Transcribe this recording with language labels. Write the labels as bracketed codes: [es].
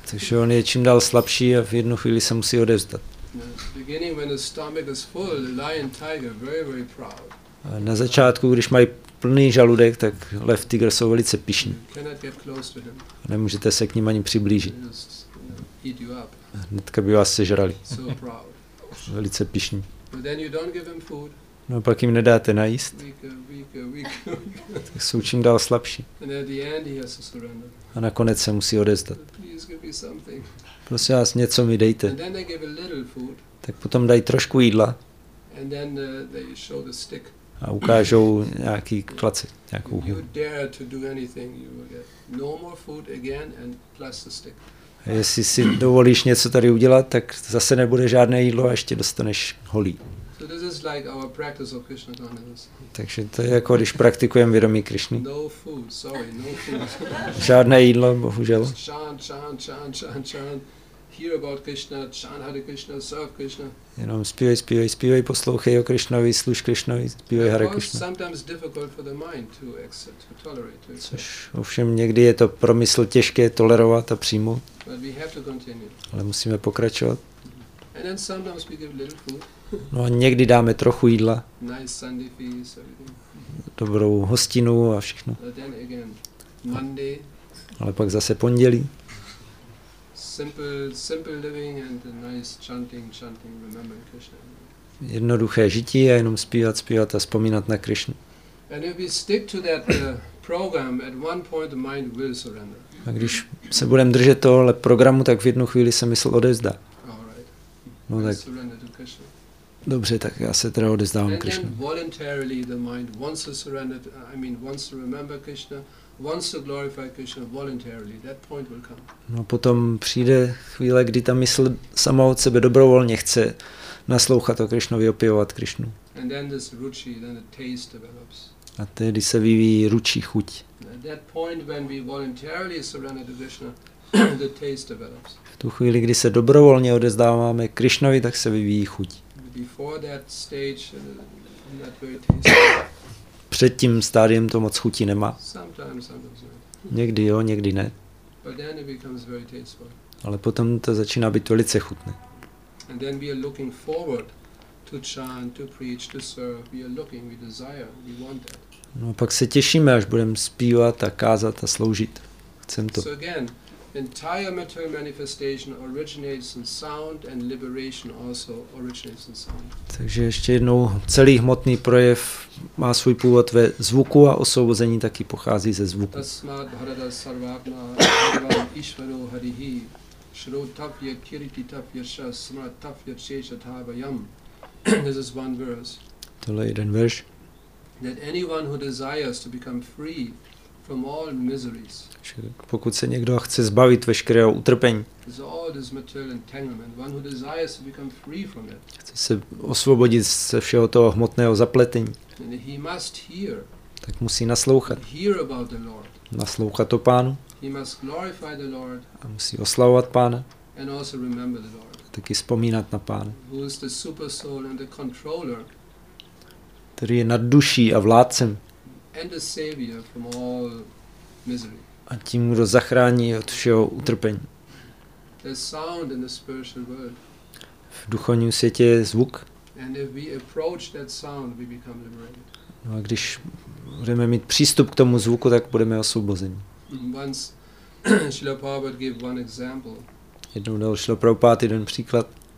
[cs] Takže on je čím dál slabší a v jednu chvíli se musí odevzdat. [en] Beginning when the stomach is full, the lion tiger very very proud. [cs] Na začátku, když mají plný žaludek, tak lev, tygr jsou velice pyšní. [en] Cannot get close to him. [cs] Nemůžete se k ním ani přiblížit. [en] Eat you up. [cs] Hnedka by vás sežrali. [en] So proud. [cs] Velice pyšní. [en] But then you don't give him food. [cs] No pak jim nedáte najíst. [en] Weaker. [cs] Tak jsou čím dál slabší. [en] And at the end he has to surrender. [cs] A nakonec se musí odezdat. [en] Please give me something. [cs] Prosím vás, něco mi dejte. [en] And then they give a little food. [cs] Tak potom dají trošku jídla. [en] And then they show the stick. [cs] A ukážou nějaký klacek, nějakou hůl. [en] You dare to do anything, you will get no more food again and plus the stick. [cs] A jestli si dovolíš něco tady udělat, tak zase nebude žádné jídlo a ještě dostaneš holí. [en] So this is like our practice of Krishna consciousness. [cs] Takže to je jako když praktikujeme vědomí Krišny. [en] No food, sorry, no food. [cs] Žádné jídlo, bohužel. [en] Chant, hear about Krishna, chant Hare Krishna, serve Krishna. [cs] Jenom zpívej, poslouchej o Krišnovi, služ Krišnovi, zpívej Hare Krishna. [en] Sometimes difficult for the mind to accept, to tolerate. [cs] Což ovšem někdy je to pro mysl těžké tolerovat a přijmout. [en] But we have to continue. [cs] Ale musíme pokračovat. [en] And then sometimes we give little food. [cs] No a někdy dáme trochu jídla. [en] Nice Sunday feast, [cs] dobrou hostinu a všechno. [en] But then again, Monday. [cs] Ale pak zase pondělí. [en] Simple living and a nice chanting, remembering Krishna. [cs] Jednoduché žití a jenom zpívat a vzpomínat na Krishnu. [en] And if we stick to that program, at one point the mind will surrender. [cs] A když se budeme držet tohle programu, tak v jednu chvíli se mysl odezdá. [en] All right. [cs] No tak. [en] Surrender to Krishna. [cs] Dobře, tak já se teda odezdávám Krishna. [en] And then voluntarily the mind wants to surrender, wants to remember Krishna. Once to glorify Krishna voluntarily, that point will come. [cs] No potom přijde chvíle, kdy ta mysl sama od sebe dobrovolně chce naslouchat o Krišnovi, opěvovat Krišnu. [en] And then this ruchi, then the taste develops. [cs] A tedy se vyvíjí ruchi, chuť. [en] At that point when we voluntarily surrender to Krishna, the taste develops. [cs] V tu chvíli, kdy se dobrovolně odezdáváme Krišnovi, tak se vyvíjí chuť. [en] Before that stage, not very tasty. [cs] Před tím stádiem to moc chuti nemá. [en] Sometimes not. [cs] Někdy jo, někdy ne. [en] But then it becomes very tasteful. [cs] Ale potom to začíná být velice chutné. [en] And then we are looking forward to chant, to preach, to serve. We are looking, we desire, we want that. [cs] No a pak se těšíme, až budeme zpívat a kázat a sloužit. Chcem to. [en] So again, entire material manifestation originates in sound and liberation also originates in sound. [cs] Takže ještě jednou, celý hmotný projev má svůj původ ve zvuku a osvobození taky pochází ze zvuku. [sa] Tasmat bharata sarvatma bhagavan ishvaro harihi shrotapya kirti tapya sha smrat tapya chesha dhavayam. [en] This is one verse. [cs] Tohle jeden verš. [en] That anyone who desires to become free from all miseries. [cs] Pokud se někdo chce zbavit veškerého utrpení. [en] Is all this material entanglement. One who desires to become free from it. [cs] Chce se osvobodit ze všeho toho hmotného zapletení. [en] And he must hear. [cs] Tak musí naslouchat. [en] Hear about the Lord. [cs] Naslouchat to Pánu. [en] He must glorify the Lord. [cs] A musí oslavovat Pána. [en] And also remember the Lord. [cs] Taky vzpomínat na Pána. [en] Who is the super soul and the controller. [cs] Který je nad duší a vládcem. [en] And a savior from all misery. [cs] A tím, kdo zachrání od všeho utrpení. [en] There's sound in the spiritual world. [cs] V duchovním světě je zvuk. [en] And if we approach that sound, we become liberated. [cs] No a když budeme mít přístup k tomu zvuku, tak budeme osvobozeni. [en] Once Srila Prabhupada gave one example. [cs] Jednou dal Srila Prabhupada jeden příklad.